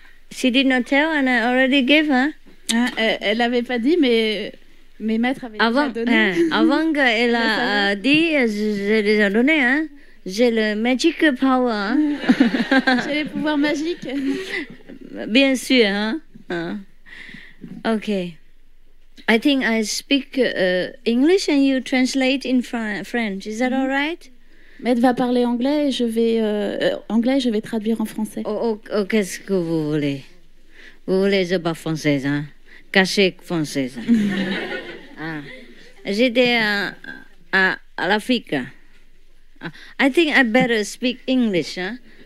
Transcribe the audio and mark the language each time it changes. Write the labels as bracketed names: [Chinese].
[English] She did not tell and I already gave her. [French] Ah, elle n'avait pas dit, mais mes maîtres avaient avant, déjà donné. Avant qu'elle a dit, j'ai déjà donné. Hein. J'ai le [English] magic power. [French] Hein. J'ai les pouvoirs magiques. Bien sûr. Hein. Ok. [English] I think I speak English and you translate in French. Is that all right? [French] Maître va parler anglais et je vais traduire en français. Oh, qu'est-ce que vous voulez? Vous voulez je parle française, hein? Caché française. Hein? Ah. J'étais à l'Afrique. [English] Ah. I think I better speak English. Hein?